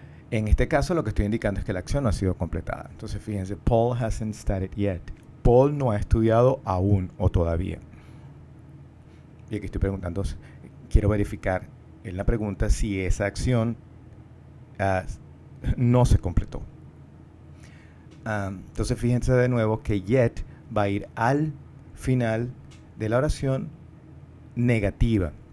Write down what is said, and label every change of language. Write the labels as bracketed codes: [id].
[es] En este caso, lo que estoy indicando es que la acción no ha sido completada. Entonces, fíjense, [en] Paul hasn't started yet. [es] Paul no ha estudiado aún o todavía. Y aquí estoy preguntando, quiero verificar en la pregunta si esa acción no se completó. Entonces, fíjense de nuevo que yet va a ir al final de la oración negativa.